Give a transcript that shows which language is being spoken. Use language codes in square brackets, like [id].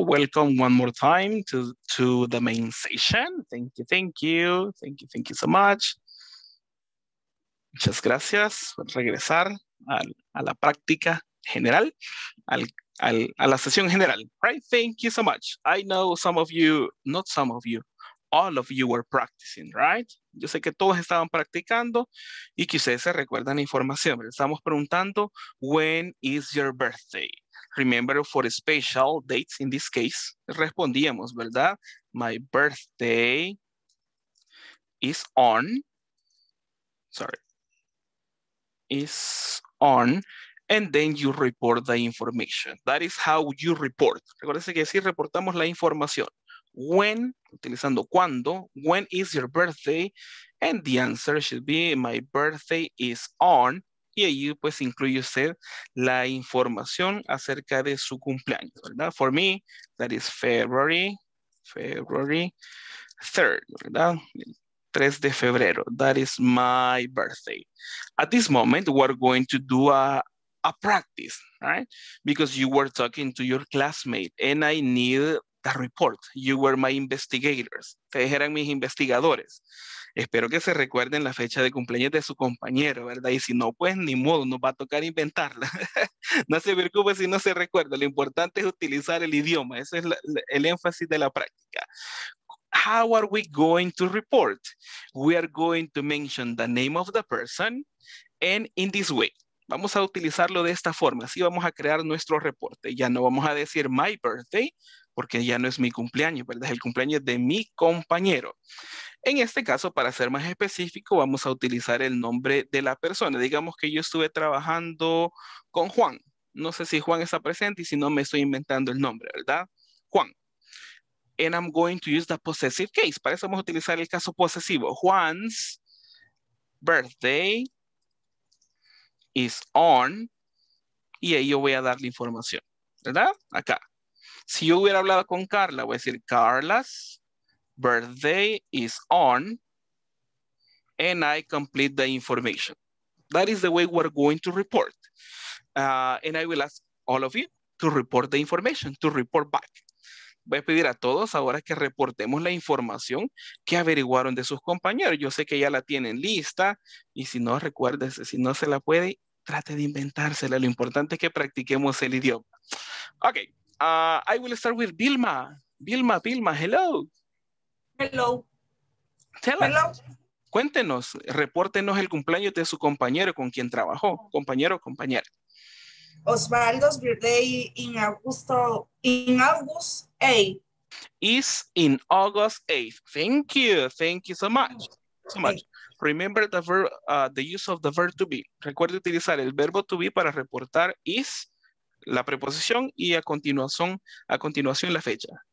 [en] Welcome one more time to the main session. Thank you, thank you. Thank you, thank you so much. [es] Muchas gracias por regresar a la práctica general, a la sesión general, [en] right? Thank you so much. I know some of you, not some of you, all of you were practicing, right? [es] Yo sé que todos estaban practicando y que ustedes se recuerdan la información. Estamos preguntando, [en] when is your birthday? Remember, for special dates, in this case, [es] respondíamos, ¿verdad? [en] My birthday is on, sorry, is on, and then you report the information. That is how you report. [es] Recuérdense que sí reportamos la información. [en] When, [es] utilizando cuando, [en] when is your birthday? And the answer should be, my birthday is on. [es] Y ahí pues incluye usted la información acerca de su cumpleaños, ¿verdad? [en] For me, that is February 3rd, [es] ¿verdad? El 3 de febrero. [en] That is my birthday. At this moment, we're going to do a practice, right? Because you were talking to your classmate and I need the report. You were my investigators. [es] Ustedes eran mis investigadores. Espero que se recuerden la fecha de cumpleaños de su compañero, ¿verdad? Y si no, pues ni modo, nos va a tocar inventarla. No se preocupe si no se recuerda. Lo importante es utilizar el idioma. Ese es el énfasis de la práctica. [en] How are we going to report? We are going to mention the name of the person and in this way. [es] Vamos a utilizarlo de esta forma. Así vamos a crear nuestro reporte. Ya no vamos a decir [en] my birthday, [es] porque ya no es mi cumpleaños, ¿verdad? Es el cumpleaños de mi compañero. En este caso, para ser más específico, vamos a utilizar el nombre de la persona. Digamos que yo estuve trabajando con Juan. No sé si Juan está presente y si no, me estoy inventando el nombre, ¿verdad? Juan. [en] And I'm going to use the possessive case. [es] Para eso vamos a utilizar el caso posesivo. [en] Juan's birthday is on. [es] Y ahí yo voy a dar la información, ¿verdad? Acá. Si yo hubiera hablado con Carla, voy a decir, [en] Carla's birthday is on, and I complete the information. That is the way we're going to report. And I will ask all of you to report the information, to report back. [es] Voy a pedir a todos ahora que reportemos la información que averiguaron de sus compañeros. Yo sé que ya la tienen lista, y si no, recuérdese, si no se la puede, trate de inventársela. Lo importante es que practiquemos el idioma. [en] Okay. I will start with Vilma. Vilma, hello. Hello. Tell hello. Us. [es] Cuéntenos, repórtenos el cumpleaños de su compañero con quien trabajó. Compañero, compañera. [en] Osvaldo's birthday in August 8th. Is in August 8th. Thank you. Thank you so much. So much. Remember the verb, the use of the verb to be. [es] Recuerde utilizar el verbo to be para reportar is, la preposición y a continuación la fecha.